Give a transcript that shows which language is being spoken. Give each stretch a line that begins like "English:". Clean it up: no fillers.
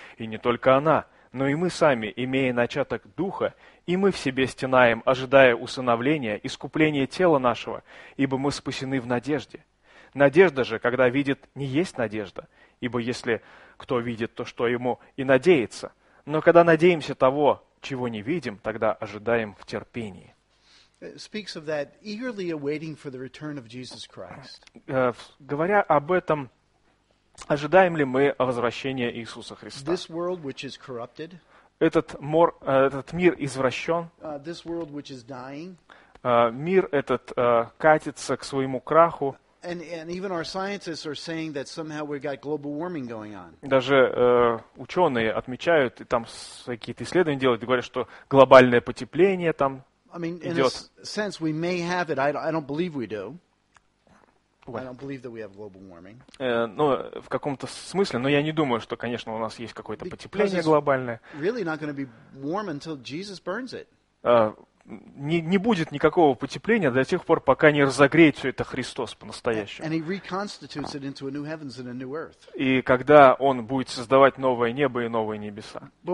Russian: И не только она, но и мы сами, имея начаток духа, и мы в себе стенаем, ожидая усыновления, искупления тела нашего, ибо мы спасены в надежде. Надежда же, когда видит, не есть надежда, ибо если кто видит, то что ему и надеется. Но когда надеемся того, чего не видим, тогда ожидаем в терпении.
English: Speaks of that eagerly awaiting for the return of Jesus Christ.
Russian: Говоря об этом, ожидаем ли мы возвращения Иисуса Христа?
English: This world, which is corrupted.
Russian: Этот мир извращен.
English: This world, which is dying.
Russian: Мир этот катится к своему краху.
English: And even our scientists are saying that somehow we've got global warming going on.
Russian: Даже ученые отмечают и там какие-то исследования делают, говорят, что глобальное потепление там идет.
English: I mean, in a sense, we may have it. I don't believe we do. What? I don't believe that we have global warming.
Russian: Ну, в каком-то смысле, но я не думаю, что, конечно, у нас есть какое-то потепление глобальное.
English: Really not going to be warm until Jesus burns it.
Russian: Не будет никакого потепления до тех пор, пока не разогреет все это Христос по-настоящему. И когда Он будет создавать новое небо и новые небеса.